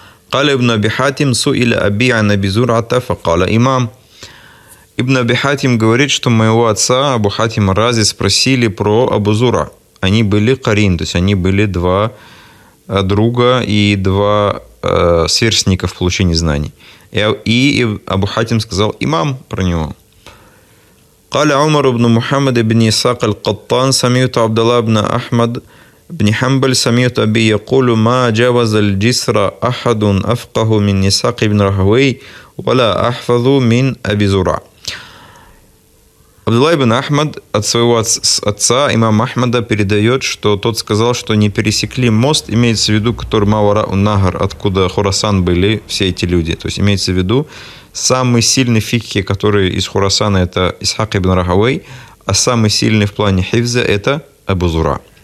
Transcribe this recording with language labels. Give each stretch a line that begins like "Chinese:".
Arabic: قال ابن أبي حاتم سئل أبي عن أبي زرعة فقال إمام.
Russian: Ибн Аби Хатим говорит, что моего отца Абу Хатима Рази спросили про Абу Зура. Они были карин, то есть они были два друга и два сверстника в получении знаний. И Абу Хатим сказал имам про него.
Arabic: قال عمر بن محمد بن إساق القطان سميت عبد الله بن أحمد بن حنبل سميت أبي يقول ما جاوز الجسر أحد أفقه من إساق بن رهوي ولا أحفظ من أبي زرع.
Russian: Абдулла ибн Ахмад от своего отца, имама Ахмада, передает, что тот сказал, что не пересекли мост, имеется в виду, который Мавара-ун-Нахр, откуда Хорасан были все эти люди. То есть имеется в виду, самый сильный фикхи, который из Хорасана, это Исхак ибн Рахавей, а самый сильный в плане хифза, это Абу Зура.